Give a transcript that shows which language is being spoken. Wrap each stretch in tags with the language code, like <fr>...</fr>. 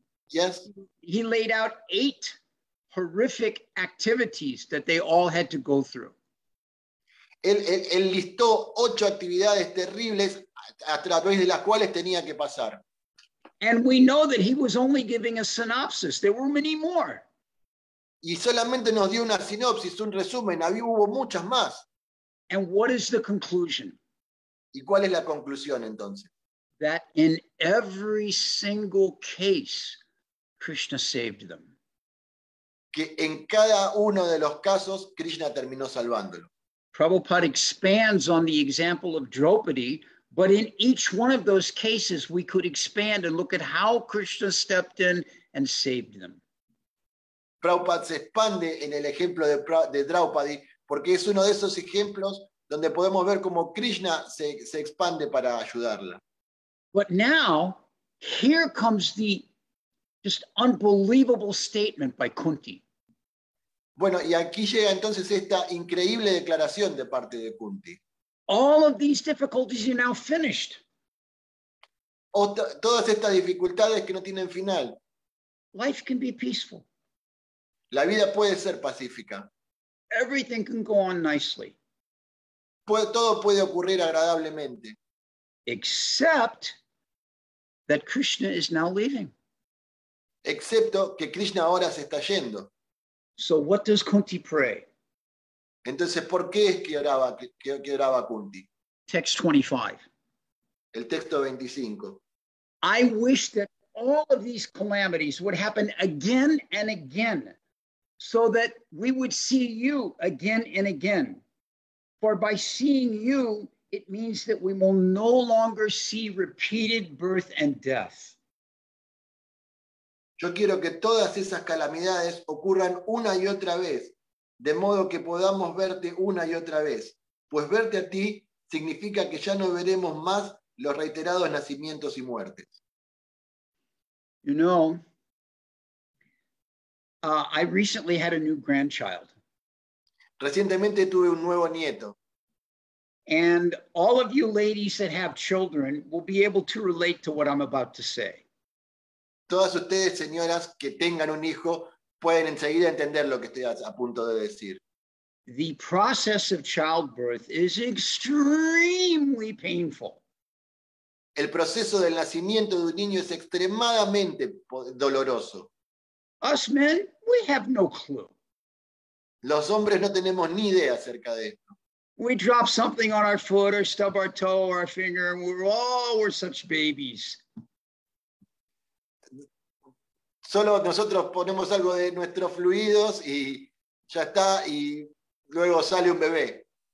<en>Yes? He laid out 8 horrific activities that they all had to go through.</en> <es>Él listó 8 actividades terribles a través de las cuales tenía que pasar.</es> <en>And we know that he was only giving a synopsis. There were many more.</en> <es>Y solamente nos dio una sinopsis, un resumen. Había hubo muchas más.</es> <en>And what is the conclusion?</en> <es>¿Y cuál es la conclusión entonces?</es> <en>That in every single case, Krishna saved them.</en> <es>Que en cada uno de los casos, Krishna terminó salvándolo.</es> <en>Prabhupada expands on the example of Draupadi, but in each one of those cases, we could expand and look at how Krishna stepped in and saved them.</en> <es>Prabhupada se expande en el ejemplo de Draupadi, porque es uno de esos ejemplos donde podemos ver cómo Krishna se expande para ayudarla.</es> <en>But now, here comes the just unbelievable statement by Kunti.</en> <es>Bueno, y aquí llega entonces esta increíble declaración de parte de Kunti.</es> <en>All of these difficulties are now finished.</en> <es>Todas estas dificultades que no tienen final.</es> <en>Life can be peaceful.</en> <es>La vida puede ser pacífica.</es> <en>Everything can go on nicely.</en> <es>Todo puede ocurrir agradablemente.</es> <en>Except that Krishna is now leaving.</en> <es>Excepto que Krishna ahora se está yendo.</es> <en>So what does Kunti pray?</en> <es>Entonces, ¿por qué es que oraba Kunti?</es> <en>Text 25.</en> <es>El texto 25.</es> <en>I wish that all of these calamities would happen again and again, so that we would see you again and again. For by seeing you, it means that we will no longer see repeated birth and death.</en> <es>Yo quiero que todas esas calamidades ocurran una y otra vez, de modo que podamos verte una y otra vez. Pues verte a ti significa que ya no veremos más los reiterados nacimientos y muertes.</es> <en>You know, I recently had a new grandchild.</en> <es>Recientemente tuve un nuevo nieto.</es> <en>And all of you ladies that have children will be able to relate to what I'm about to say.</en> <es>Todas ustedes, señoras, que tengan un hijo, pueden enseguida entender lo que estoy a punto de decir.</es> <en>The process of childbirth is extremely painful.</en> <es>El proceso del nacimiento de un niño es extremadamente doloroso.</es> <en>Us men, we have no clue.</en> <es>Los hombres no tenemos ni idea acerca de esto.</es> <en>We drop something on our foot or stub our toe or our finger and we're such babies.</en> <es>Solo nosotros ponemos algo de nuestros fluidos y ya está, y luego sale un bebé.</es>